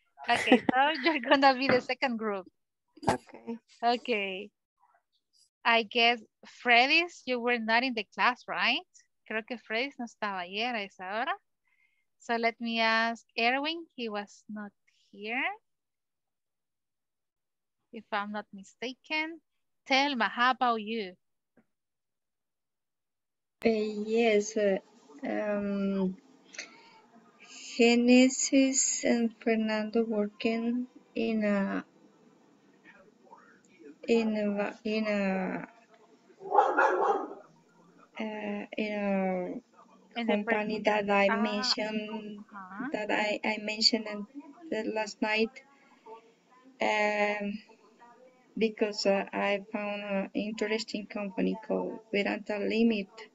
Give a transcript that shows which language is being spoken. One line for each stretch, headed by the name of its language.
English: Okay, so you're gonna be the second group. Okay. Okay. I guess, Freddy's, you were not in the class, right?
Spanish: Creo que Freddy's no estaba ayer a esa hora.
English: So let me ask Erwin, he was not here. If I'm not mistaken. Thelma, how about you? Yes, Genesis and Fernando working in a company that I mentioned that I mentioned last night because I found an interesting company called Veranta Limit.